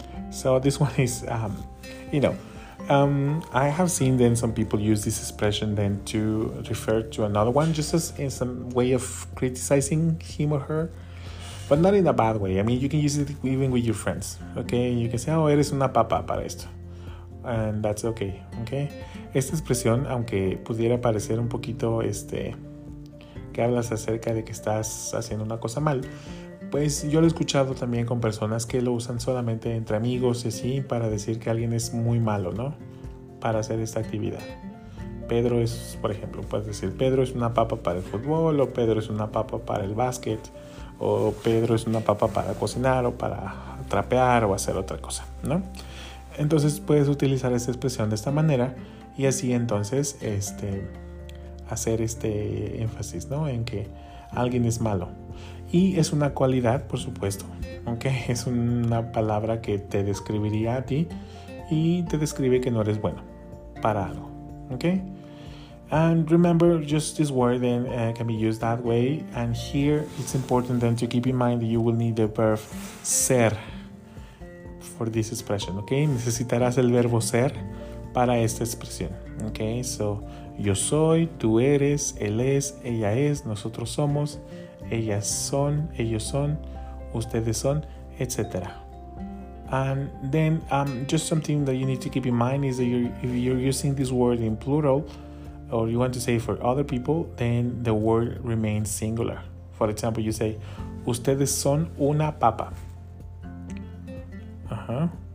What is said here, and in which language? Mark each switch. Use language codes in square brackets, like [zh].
[en] So this one is, I have seen then some people use this expression then to refer to another one, just as in some way of criticizing him or her, but not in a bad way. I mean, you can use it even with your friends, okay? You can say, oh, [es] eres una papa para esto. [en] And that's okay, okay? [es] Esta expresión, aunque pudiera parecer un poquito, que hablas acerca de que estás haciendo una cosa mal, pues yo lo he escuchado también con personas que lo usan solamente entre amigos y así para decir que alguien es muy malo, ¿no? Para hacer esta actividad. Pedro es, por ejemplo, puedes decir, Pedro es una papa para el fútbol, o Pedro es una papa para el básquet, o Pedro es una papa para cocinar, o para trapear, o hacer otra cosa, ¿no? Entonces puedes utilizar esta expresión de esta manera y así entonces hacer este énfasis, ¿no? En que alguien es malo. Y es una cualidad, por supuesto, aunque ¿okay? Es una palabra que te describiría a ti y te describe que no eres bueno para algo, ¿ok? [en] And remember, just this word then can be used that way. And here, it's important then to keep in mind that you will need the verb ser for this expression, ¿ok? [es] Necesitarás el verbo ser para esta expresión, ¿ok? So, yo soy, tú eres, él es, ella es, nosotros somos, ellas son, ellos son, ustedes son, etc. [en] And then, just something that you need to keep in mind is that if you're using this word in plural, or you want to say for other people, then the word remains singular. For example, you say, [es] ustedes son una papa. [en] Uh-huh.